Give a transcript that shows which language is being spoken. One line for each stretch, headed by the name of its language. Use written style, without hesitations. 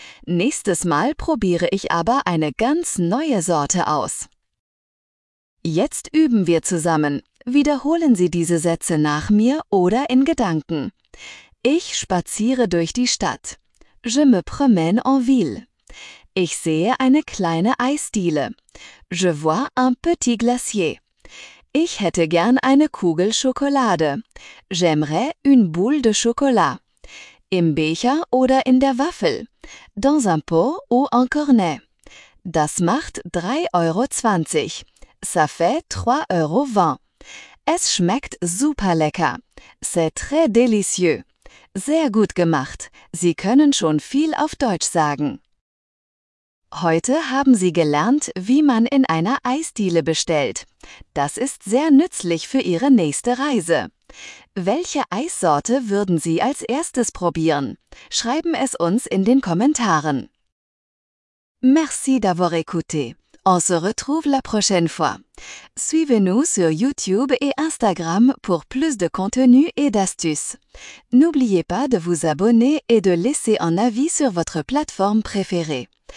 German: Nächstes Mal probiere ich aber eine ganz neue Sorte aus. Jetzt üben wir zusammen. Wiederholen Sie diese Sätze nach mir oder in Gedanken. Ich spaziere durch die Stadt.
French: Je me promène en ville.
German: Ich sehe eine kleine Eisdiele.
French: Je vois un petit glacier.
German: Ich hätte gern eine Kugel Schokolade.
French: J'aimerais une boule de chocolat.
German: Im Becher oder in der Waffel.
French: Dans un pot ou en cornet.
German: Das macht 3,20 Euro.
French: Ça fait 3,20 Euro.
German: Es schmeckt super lecker.
French: C'est très délicieux.
German: Sehr gut gemacht. Sie können schon viel auf Deutsch sagen. Heute haben Sie gelernt, wie man in einer Eisdiele bestellt. Das ist sehr nützlich für Ihre nächste Reise. Welche Eissorte würden Sie als erstes probieren? Schreiben es uns in den Kommentaren.
French: Merci d'avoir écouté. On se retrouve la prochaine fois. Suivez-nous sur YouTube et Instagram pour plus de contenu et d'astuces. N'oubliez pas de vous abonner et de laisser un avis sur votre plateforme préférée.